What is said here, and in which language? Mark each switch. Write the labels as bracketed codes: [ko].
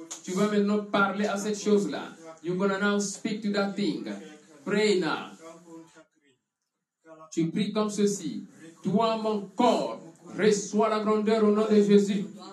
[fr] Tu vas maintenant parler à cette chose-là. [en] You're going to now speak to that thing. Pray now. [fr] Tu pries comme ceci. Toi, mon corps, reçois la grandeur au nom de Jésus.